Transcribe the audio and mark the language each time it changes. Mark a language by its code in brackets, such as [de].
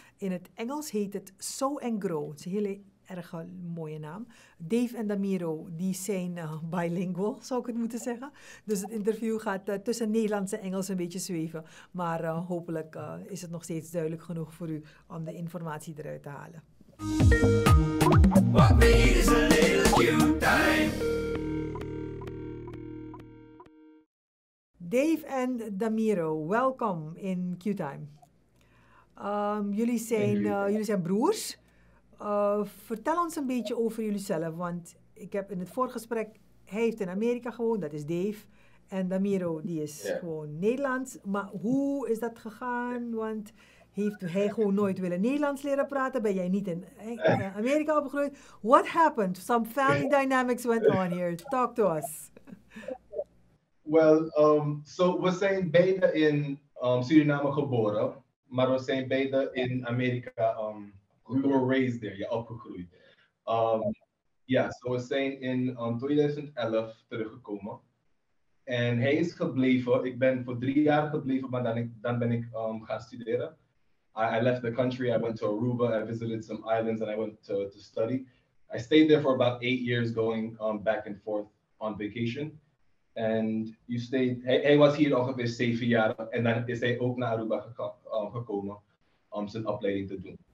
[nl] In het Engels heet het Sow and Grow. Het is een hele erg mooie naam. Dave en Damiro, die zijn bilingual, zou ik het moeten zeggen. Dus het interview gaat tussen Nederlands en Engels een beetje zweven. Maar hopelijk is het nog steeds duidelijk genoeg voor u om de informatie eruit te halen. [en] What we need is a little Q-time. [nl] Dave en Damiro, welkom in Q-time. Jullie zijn broers. Vertel ons een beetje over jullie zelf, want ik heb in het voorgesprek, hij heeft in Amerika gewoond, dat is Dave, en Damiro die is gewoon Nederlands, maar hoe is dat gegaan, want heeft hij gewoon nooit willen Nederlands leren praten, ben jij niet in Amerika opgegroeid? [en] What happened? Some family dynamics went on here, talk to us. [nl] Well, we zijn beide in Suriname geboren, maar we zijn beide in Amerika [en] we were raised there, [nl] opgegroeid. We zijn in 2011 teruggekomen. En hij is gebleven. Ik ben voor 3 jaar gebleven, maar dan ben ik gaan studeren. [en] I left the country. I went to Aruba. I visited some islands and I went to study. I stayed there for about 8 years going back and forth on vacation. And you stayed. [nl] Hij was hier ongeveer 7 jaar. En dan is hij ook naar Aruba gekomen om zijn opleiding te doen.